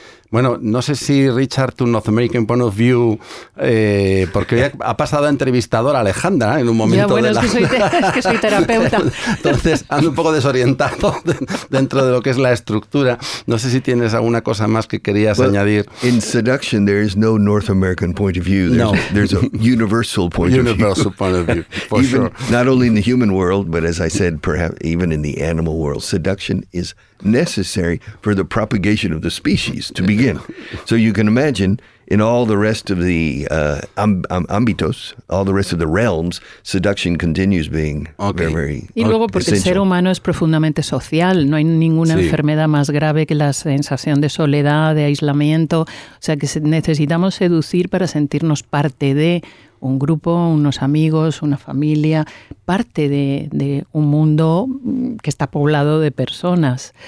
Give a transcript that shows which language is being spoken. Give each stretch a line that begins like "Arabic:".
Spanish: Bueno, no sé si Richard, tu
English: North American point of view,
Spanish: porque ha pasado a entrevistadora Alejandra en un momento. Ya, bueno, es que soy terapeuta. Entonces, ando un poco desorientado dentro de lo que es la estructura. No sé si tienes alguna cosa más que querías añadir.
English: In seduction, there is no North American point of view. There's a universal point of view. Universal point of view, for even, sure. Not only in the human world, but as I said, perhaps even in the animal world, seduction is necessary for the propagation of the species to begin. So you can imagine in all the rest of the ámbitos, all the rest of the realms, seduction continues being very, very essential.
Spanish: Y luego porque el ser humano es profundamente social, no hay ninguna enfermedad más grave que la sensación de soledad, de aislamiento, o sea que necesitamos seducir para sentirnos parte de un grupo, unos amigos, una familia, parte de un mundo que está poblado de personas.